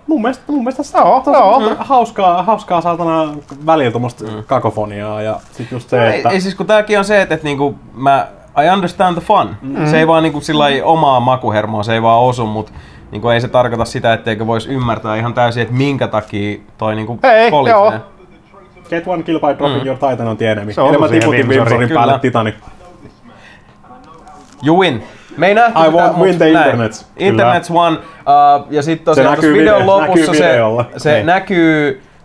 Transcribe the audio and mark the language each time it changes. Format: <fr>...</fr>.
<fi>Mun mielestä se on hauskaa saatana välillä tuommoista kakofoniaa ja sit just se, että... Ei siis kun tääkin on se, että niinku mä...</fi> <en>I understand the fun.</en> <fi>Mm-hmm. Se ei vaan niinku sillai omaa makuhermoa, se ei vaan osu, mut niinku ei se tarkoita sitä, etteikö vois ymmärtää ihan täysin, että minkä takia toi niinku kolisee.</fi> <en>Get one kill by dropping your titan on the enemy.</en> <fi>Se on enemmän tiputin Vimsorin päälle titani.</fi> <en>You win.</en> <fi>Me ei nähty</fi> <en>I won't win the internet. Internet's won.</en> <fi>Ja sit tosiaan tossa videon lopussa se näkyy...</fi>